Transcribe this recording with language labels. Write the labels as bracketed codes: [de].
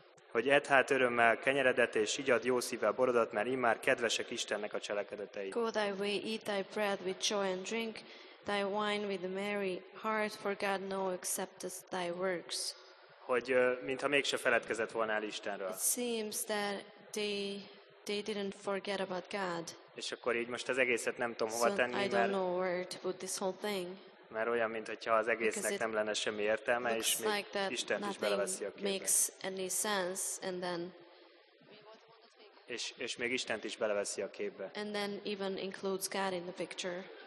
[hu] Hogy edd hát örömmel kenyeredet, és igyad jó szívvel borodat, mert immár kedvesek Istennek a cselekedetei. [en] Go thy way, eat thy bread with joy and drink thy wine with a merry heart, for God now accepteth thy works. [hu] Hogy mintha mégse feledkezett volna el Istenről. [en] It seems that they didn't forget about God. [hu] És akkor így most az egészet nem tudom hova tenni, [en] I don't know where to put this whole thing. [hu] Mert olyan, mintha az egésznek nem lenne semmi értelme, és még [en] like that [hu] Isten is beleveszi a képbe. [en] Makes any sense, and then, [hu] és még Istent is beleveszi a képbe. [en] And then even includes God in the picture.